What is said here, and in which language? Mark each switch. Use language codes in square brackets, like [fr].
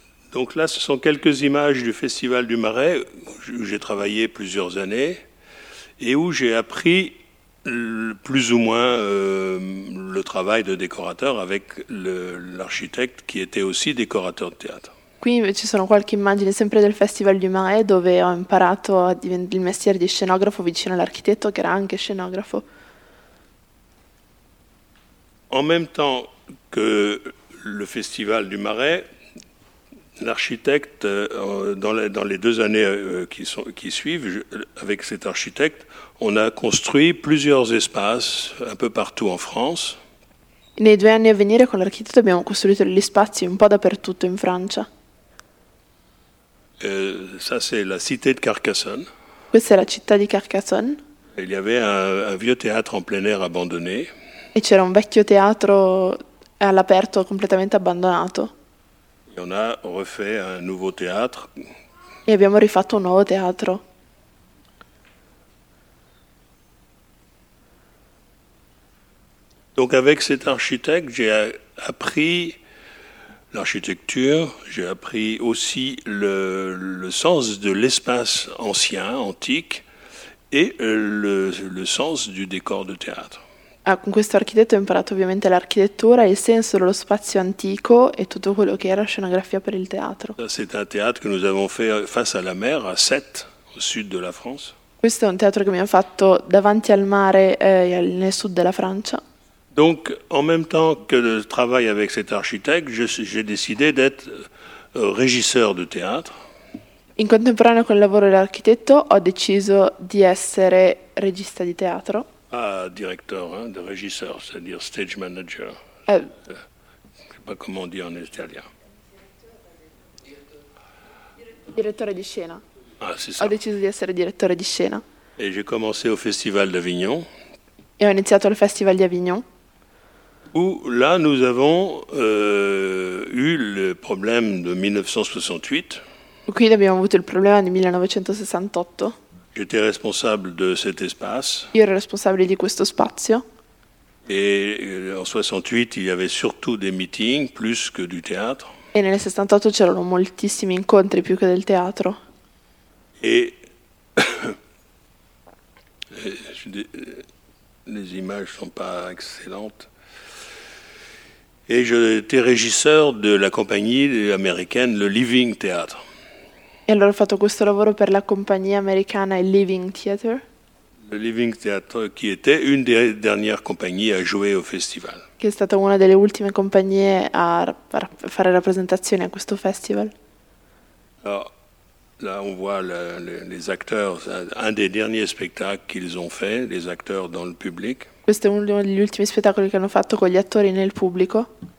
[fr] Donc là, ce sont quelques images du Festival du Marais, où j'ai travaillé plusieurs années, et où j'ai appris plus ou moins le travail de décorateur avec l'architecte qui était aussi décorateur de théâtre. [it] Qui, ci sono qualche immagine sempre del Festival du Marais, dove ho imparato il mestiere di scenografo vicino all'architetto, che era anche scenografo. [fr] En même temps que le Festival du Marais, l'architecte, dans les deux années qui suivent, avec cet architecte, on a construit plusieurs espaces un peu partout en France. [it] Nei due anni a venire con l'architetto abbiamo costruito degli spazi un po' dappertutto in Francia. [fr] Ça c'est la cité de Carcassonne. [it] Questa è la città di Carcassonne. [fr] Il y avait un vieux théâtre en plein air abandonné. [it] E c'era un vecchio teatro all'aperto completamente abbandonato. [fr] Et on a refait un nouveau théâtre. [it] E abbiamo rifatto un nuovo teatro. [fr] Donc avec cet architecte, j'ai appris l'architecture, j'ai appris aussi le sens de l'espace ancien, antique, et le sens du décor de théâtre. [it] Ah, con questo architetto ho imparato ovviamente l'architettura, il senso dello spazio antico e tutto quello che era scenografia per il teatro. [fr] C'est un théâtre que nous avons fait face à la mer, à Sète, au sud de la France. [it] Questo è un teatro che abbiamo fatto davanti al mare nel sud della Francia. [fr] Donc, en même temps que je travaille avec cet architecte, j'ai décidé d'être régisseur de théâtre. [it] In contemporanea con il lavoro dell'architetto, ho deciso di essere regista di teatro. [fr] Ah, directeur, hein, de régisseur, c'est-à-dire [en] stage manager. [fr] Je ne sais pas comment on dit en italien. [it] Direttore di scena. [fr] Ah, c'est ça. [it] Ho deciso di essere direttore di scena. [fr] Et j'ai commencé au Festival d'Avignon. [it] E ho iniziato al Festival di Avignon. [fr] Où là nous avons eu le problème de 1968. [it] Qui abbiamo avuto il problema del 1968. [fr] J'étais responsable de cet espace. [it] Io ero responsabile di questo spazio. [fr] Et en 68 il y avait surtout des meetings plus que du théâtre. [it] E nel 68 c'erano moltissimi incontri più che del teatro. [fr] Et les images sont pas excellentes. Et j'étais régisseur de la compagnie américaine Le Living Theatre. [it] E allora ho fatto questo lavoro per la compagnia americana Il Living Theatre. [fr] Le Living Theatre qui était une des dernières compagnies à jouer au festival. [it] Che è stata una delle ultime compagnie a fare rappresentazioni a questo festival. [fr] Alors, là on voit les acteurs, un des derniers spectacles qu'ils ont fait, les acteurs dans le public. [it] Questo è uno degli ultimi spettacoli che hanno fatto con gli attori nel pubblico.